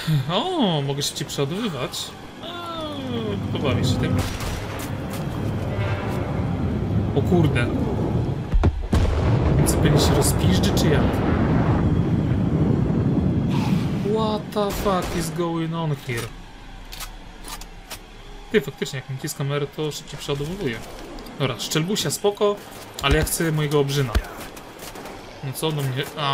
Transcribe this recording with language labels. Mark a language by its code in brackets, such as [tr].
[pl] O, mogę się ci przeładowywać. Pobawię się tym. O kurde. Co, pewnie się rozpiżdży, czy jak? [en] What the fuck is going on here? [pl] Ty, faktycznie, jak mi kiskam R, to szybciej przeładowuję. Dobra, szczelbusia spoko, ale ja chcę mojego obrzyna. No co on do mnie...